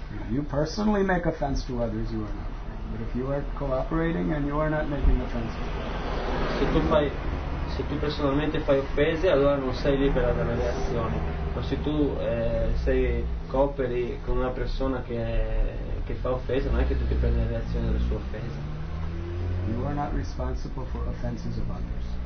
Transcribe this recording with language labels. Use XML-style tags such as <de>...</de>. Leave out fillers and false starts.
<en>You personally make offense to others, you are not. But if you are cooperating and you are not making offense,</en> <it>se tu personalmente fai offese, allora non sei libera dalla reazione. Ma se tu sei cooperi con una persona che fa offesa, non è che tu ti prendi la reazione della sua offesa.</it> <en>You are not responsible for offenses of others.</en>